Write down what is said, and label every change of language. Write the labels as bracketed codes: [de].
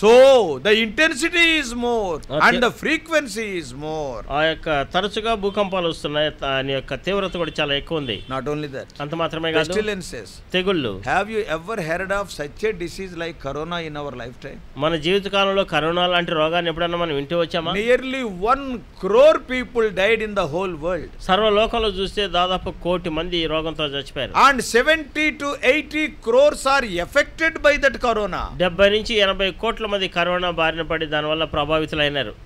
[en] So the intensity is more and the frequency is more. [te] ఆ యొక్క తరచుగా భూకంపాలు వస్తున్నాయి. దాని యొక్క తీవ్రత కూడా చాలా ఎక్కువ ఉంది. [en] Not only that. [te] అంత మాత్రమే కాదు. [en] pestilences [te] తెగుళ్ళు. [en] Have you ever heard of such a disease like corona in our lifetime? [te] మన జీవితకాలంలో కరోనా లాంటి రోగాన్ని ఎప్పుడన్నా మనం వింటూ వచ్చామా? [en] Nearly 1 crore people died in the whole world. [te] సర్వలోకంలో చూస్తే దాదాపు 1 crore మంది ఈ రోగంతో చచ్చిపోయారు. [en] And 70 to 80 crores are affected by that corona. 70 to 80 crores [te] మంది కరోనా బారిన పడి దానివల్ల ప్రభావితులైనారు.